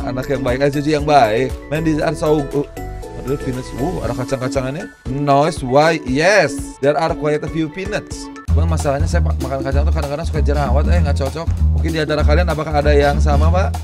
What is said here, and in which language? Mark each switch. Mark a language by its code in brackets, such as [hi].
[id] Anak yang baik, cucu yang baik. [en] Man, these are so good. [id] Ada kacang-kacangannya. [en] Nice, why? Yes, there are quite a few peanuts. [id] Cuman masalahnya saya makan kacang tuh kadang-kadang suka jerawat, gak cocok. Mungkin di antara kalian apakah ada yang sama pak?